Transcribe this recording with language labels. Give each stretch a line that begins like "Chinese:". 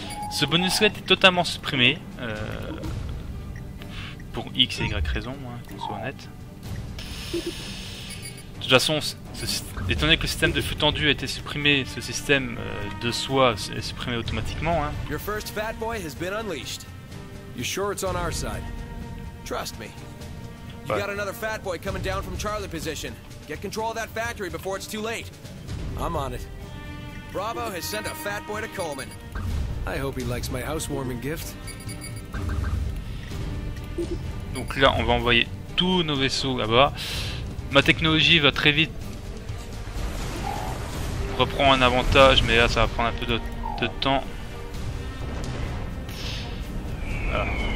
French: Ce bonus-là était totalement supprimé. Pour X et Y raisons, hein, qu'on soit honnête. De toute façon, étant donné que le système de flux tendu a été supprimé, ce système de soi est supprimé automatiquement. Hein.
English: Your first fat boy has been unleashed. You sure it's on our side? Trust me. You got another fat boy coming down from Charlie position. Get control of that factory before it's too late. I'm on it. Bravo has sent a fat boy to Coleman. I hope he likes my housewarming gift.
French: Donc là, on va envoyer tous nos vaisseaux là-bas. Ma technologie va très vite reprendre un avantage, mais là, ça va prendre un peu de temps. Voilà.